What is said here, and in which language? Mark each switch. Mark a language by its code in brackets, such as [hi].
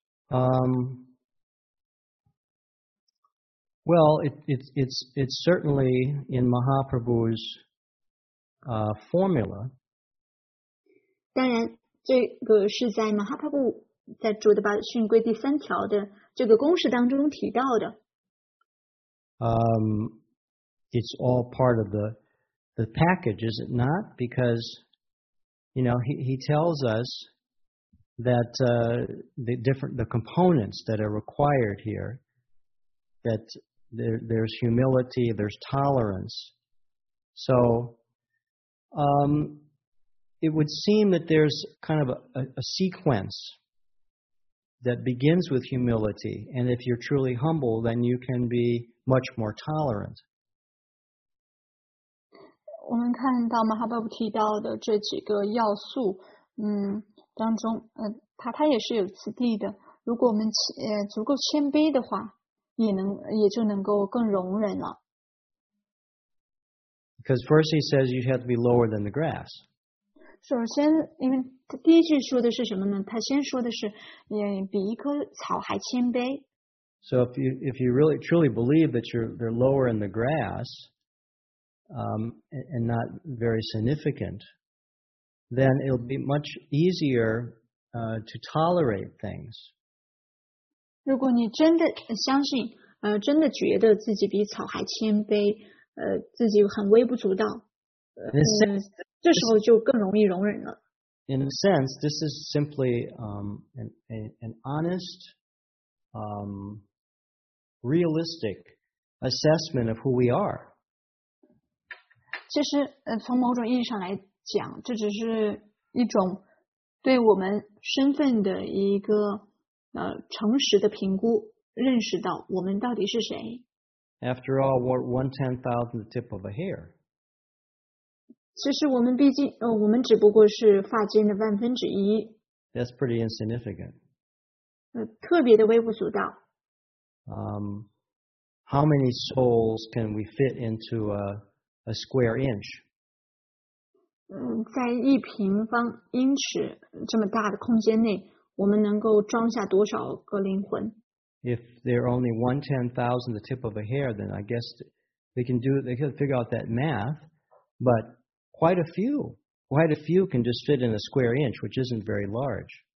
[en] Well, it's certainly in Mahaprabhu's formula. [zh] 当然，这个是在马哈帕布在主的八训规第三条的这个公式当中提到的。 [en] It's all part of the package, is it not? Because, you know, he tells us that the components that are required here, that there's humility, there's tolerance. So, it would seem that there's kind of a sequence that begins with humility, and if you're truly humble, then you can be much more tolerant. [zh] 我们看到马哈巴布提到的这几个要素，当中，他也是有次第的。如果我们足够谦卑的话，也就能够更容忍了。 [en] Because first he says you have to be lower than the grass. [zh] 首先，因为他第一句说的是什么呢？他先说的是，比一棵草还谦卑。 [en] So if you really truly believe that they're lower in the grass, and not very significant, then it'll be much easier to tolerate things. [zh] 如果你真的相信，真的觉得自己比草还谦卑，自己很微不足道，这时候就更容易容忍了。 [en] In a sense, this is simply an honest, realistic assessment of who we are. [zh] 其实，从某种意义上来讲，这只是一种对我们身份的一个诚实的评估，认识到我们到底是谁。 [en] After all, we're 1/10,000th tip of a hair. [zh] 其实我们毕竟，我们只不过是发间的万分之一。 [en] That's pretty insignificant. [zh] 特别的微不足道。 [en] How many souls can we fit into a square inch? [zh] 在一平方英尺这么大的空间内，我们能够装下多少个灵魂？ [en] If there are only 1/10,000 the tip of a hair, then I guess they can figure out that math, but quite a few can just fit in a square inch, which isn't very large.